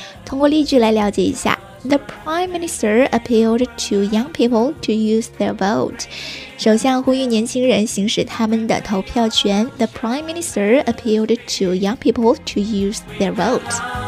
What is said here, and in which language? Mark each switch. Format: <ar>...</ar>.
<zh>通过例句来了解一下，</zh> <en>The Prime Minister appealed to young people to use their vote。</en> <zh>首相呼吁年轻人行使他们的投票权。</zh> <en>The Prime Minister appealed to young people to use their vote。</en>